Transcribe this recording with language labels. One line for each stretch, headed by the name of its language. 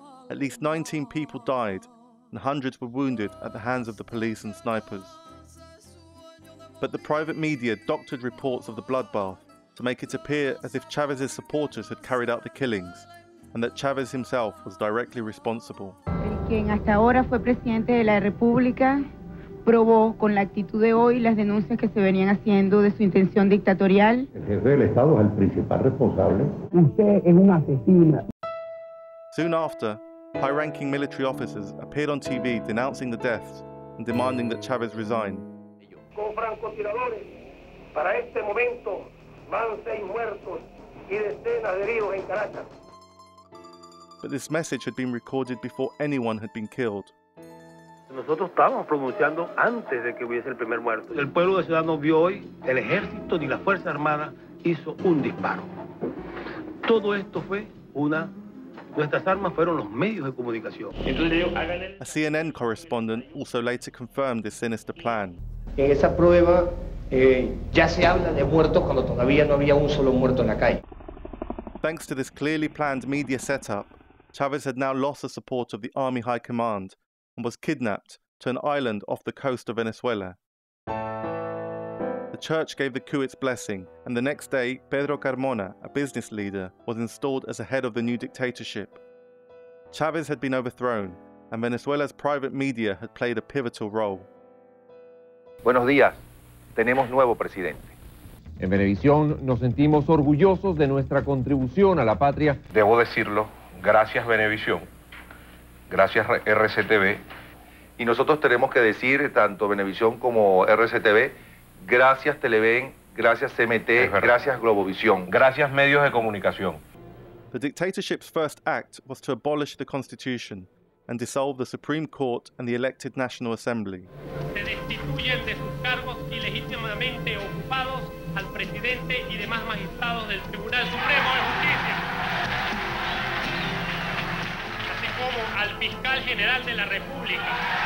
English: At least 19 people died, and hundreds were wounded at the hands of the police and snipers. But the private media doctored reports of the bloodbath to make it appear as if Chavez's supporters had carried out the killings and that Chavez himself was directly responsible.
Spanish: El quien hasta ahora fue presidente de la República probó con la actitud de hoy las denuncias que se venían haciendo de su intención dictatorial. El jefe del Estado es el principal responsable. Usted es un asesino.
English: Soon after, high-ranking military officers appeared on TV denouncing the deaths and demanding that Chavez resign.
Spanish: Como francotiradores, para este momento van 6 muertos y decenas de heridos en Caracas.
English: But this message had been recorded before anyone had been killed.
Spanish: Nosotros estábamos pronunciando antes de que hubiese el primer muerto. El pueblo de Ciudadanos vio hoy, el ejército ni la Fuerza Armada hizo un disparo. Todo esto fue una... Nuestras armas fueron los medios de comunicación.
English: A CNN correspondent also later confirmed this sinister plan.
Spanish: En esa prueba, ya se habla de muertos cuando todavía no había un solo muerto en la calle.
English: Thanks to this clearly planned media setup, Chavez had now lost the support of the Army High Command and was kidnapped to an island off the coast of Venezuela. The church gave the coup its blessing, and the next day, Pedro Carmona, a business leader, was installed as the head of the new dictatorship. Chavez had been overthrown, and Venezuela's private media had played a pivotal role.
Spanish: Buenos días. Tenemos nuevo presidente. En Venevisión nos sentimos orgullosos de nuestra contribución a la patria. Debo decirlo, gracias Venevisión, gracias RCTV. Y nosotros tenemos que decir, tanto Venevisión como RCTV, gracias Televen, gracias CMT, gracias Globovisión, gracias medios de comunicación.
English: The dictatorship's first act was to abolish the constitution and dissolve the Supreme Court and the elected National Assembly.
Spanish: Se destituyen de sus cargos ilegítimamente ocupados al presidente y demás magistrados del Tribunal Supremo de Justicia. Así como al fiscal general de la República.